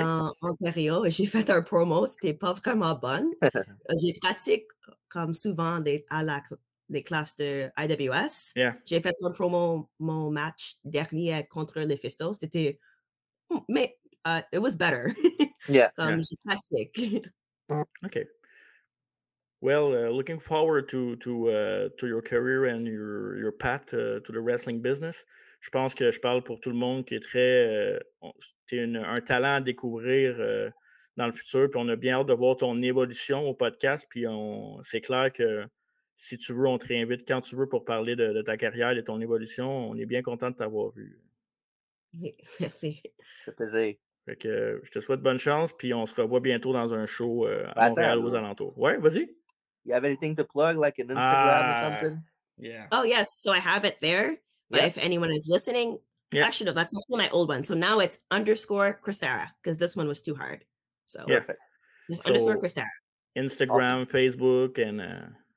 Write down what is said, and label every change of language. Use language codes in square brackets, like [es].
[fr] En Ontario, j'ai fait un promo, c'était pas vraiment bonne. J'ai pratiqué comme souvent les classes de IWS. [en] Yeah. [fr] J'ai fait un promo, mon match dernier contre les Fisto, c'était, mais [en] it was better. Yeah. [fr] J'ai pratiqué. Ok. [en] Well, looking forward to your career and your path to the wrestling business. [fr] Je pense que je parle pour tout le monde qui est très... t'es un talent à découvrir dans le futur. Puis on a bien hâte de voir ton évolution au podcast. Puis c'est clair que si tu veux, on te réinvite quand tu veux pour parler de ta carrière et de ton évolution. On est bien content de t'avoir vu. Merci. C'est un plaisir. Fait que je te souhaite bonne chance. Puis on se revoit bientôt dans un show à Montréal ou aux alentours. Ouais, vas-y. [en] You have anything to plug, like an Instagram or something? Yeah. Oh, yes. So I have it there. But if anyone is listening, actually, no, that's also my old one. So now it's _ Christara, because this one was too hard. So Perfect. _ Christara. Instagram, awesome. Facebook, and...